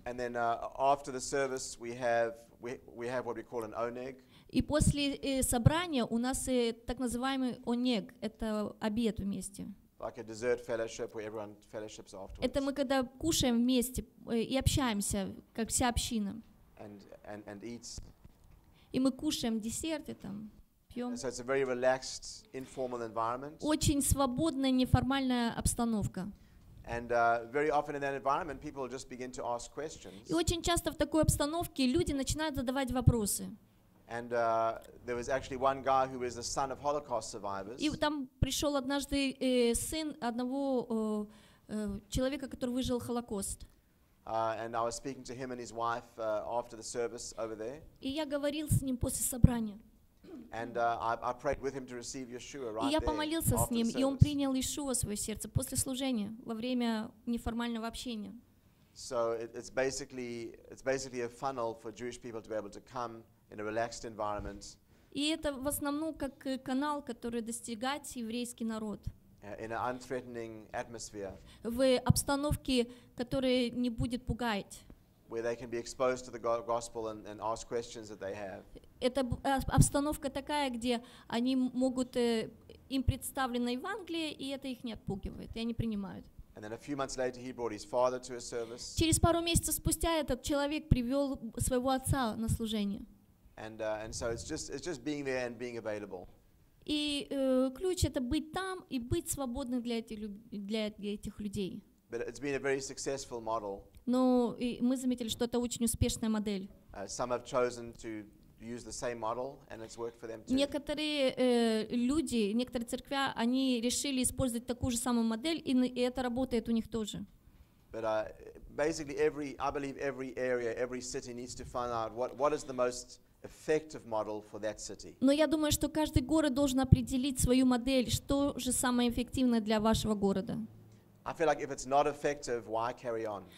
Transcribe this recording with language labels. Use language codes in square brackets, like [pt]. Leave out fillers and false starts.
[en] And then after the service we have what we call an oneg. [ru] И после собрания у нас так называемый oneg, это обед вместе. [en] Like a dessert fellowship where everyone fellowships afterwards. [ru] Это мы когда кушаем вместе и общаемся, как вся община. [en] And eats. [ru] И мы кушаем десерты там, пьем. [en] So it's a very relaxed, informal environment. [ru] Очень свободная, неформальная обстановка. [en] And very often in that environment, people just begin to ask questions. [ru] И очень часто в такой обстановке люди начинают задавать вопросы. [en] And there was actually one guy who was the son of Holocaust survivors. [ru] И там пришел однажды сын одного человека, который выжил Холокост. [en] And I was speaking to him and his wife after the service over there. [ru] И я говорил с ним после собрания. [en] And I prayed with him to receive Yeshua right there. [ru] И я помолился с ним, и он принял Иешуа в своё сердце после служения, во время неформального общения. [en] So it's basically a funnel for Jewish people to be able to come in a relaxed environment. [ru] И это в основном как канал, который достигает еврейский народ. [en] In an unthreatening atmosphere. [ru] В обстановке, которая не будет пугать. [en] Where they can be exposed to the gospel and ask questions that they have. [ru] это обстановка такая, где они могут, им представлено Евангелие, и это их не отпугивает, и они принимают. [en] And then a few months later he brought his father to a service. [ru] Через пару месяцев спустя этот человек привёл своего отца на служение. [en] And so it's just being there and being available. [ru] И ключ — это быть там и быть свободным для этих людей. [en] But it's been a very successful model. [ru] Но мы заметили, что это очень успешная модель. [en] Some have chosen to use the same model and it's worked for them too. [ru] Некоторые люди, некоторые церкви, они решили использовать такую же самую модель, и это работает у них тоже. [en] But basically I believe every area, every city needs to find out what is the most effective model for that city. [ru] Но я думаю, что каждый город должен определить свою модель, что же самое эффективное для вашего города. [en] I feel like if it's not effective, why carry on?